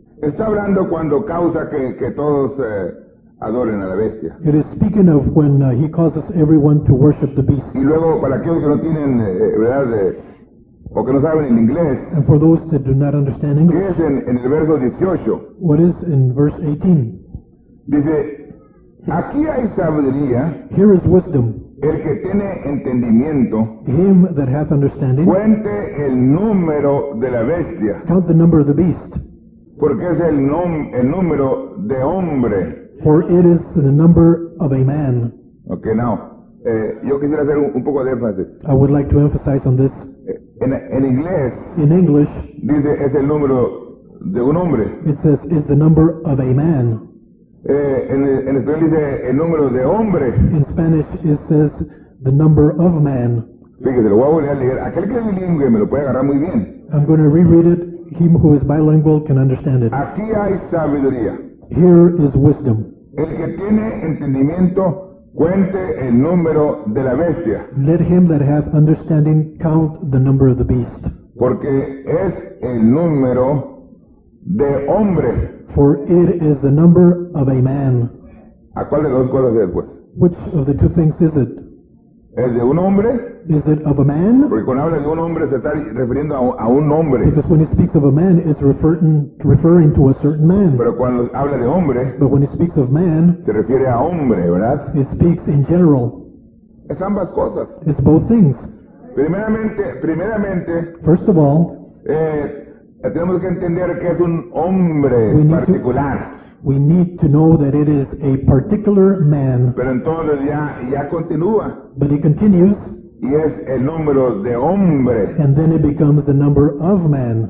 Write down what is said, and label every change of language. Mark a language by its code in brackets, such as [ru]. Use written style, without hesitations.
[es] Está hablando cuando causa que todos adoren a la bestia. [en] It is speaking of when he causes everyone to worship the beast. [es] Y luego para aquellos que no tienen verdad o que no saben el inglés. [en] And for those that do not understand English. [es] ¿Qué es en el verso 18? [en] What is in verse 18? [es] Dice, aquí hay sabiduría. [en] Here is wisdom. [es] El que tiene entendimiento. [en] Him that hath understanding. [es] Cuente el número de la bestia. [en] Count the number of the beast. [es] Porque es el número de hombre. [en] For it is the number of a man. Okay, now, [es] yo quisiera hacer un poco de énfasis. [en] I would like to emphasize on this. [es] En inglés. [en] In English. [es] Dice es el número de un hombre. [en] It says is the number of a man. [es] En español dice el número de hombre. [en] In Spanish it says the number of man. [es] Fíjese, lo voy a volver a leer. Aquel que es bilingüe me lo puede agarrar muy bien. [en] I'm going to reread it. He who is bilingual can understand it. [es] Aquí hay sabiduría. [en] Here is wisdom. [es] El que tiene entendimiento cuente el número de la bestia. [en] Let him that hath understanding count the number of the beast. [es] Porque es el número de hombre. [en] For it is the number of a man. [es] ¿A cuál de las dos cosas es, pues? [en] Which of the two things is it? [es] ¿Es de un hombre? [en] Is it of a man? [es] Porque cuando habla de un hombre se está refiriendo a un hombre. [en] Because when he speaks of a man, it's referring to a certain man. [es] Pero cuando habla de hombre, [en] but when he speaks of man, [es] se refiere a hombre, ¿verdad? [en] It speaks in general. [es] Es ambas cosas. [en] It's both things. [es] Primeramente, [en] first of all, [es] tenemos que entender que es un hombre particular. [en] We need to know that it is a particular man. [es] Pero entonces ya continúa. [en] But he continues. [es] Y es el número de hombre. [en] And then it becomes the number of man.